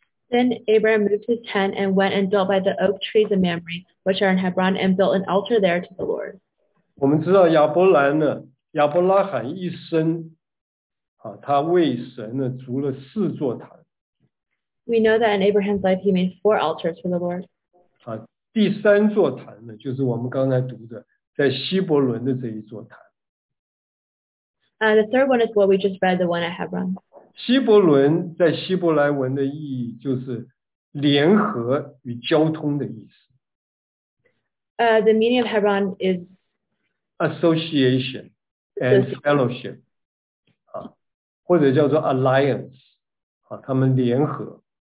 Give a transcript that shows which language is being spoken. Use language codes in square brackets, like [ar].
[en] Then Abraham moved his tent and went and dwelt by the oak trees of Mamre, which are in Hebron, and built an altar there to the Lord. [zh] 我们知道亚伯兰呢，亚伯拉罕一生，他为神呢筑了四座坛。 [en] We know that in Abraham's life, he made four altars for the Lord. [zh] 第三座坛呢，就是我们刚才读的，在希伯伦的这一座坛。 [en] The third one is what we just read, the one at Hebron. [zh] 希伯伦在希伯来文的意义就是联合与交通的意思。 [en] The meaning of Hebron is association and fellowship. [zh] 或者叫做 alliance. 他们联合。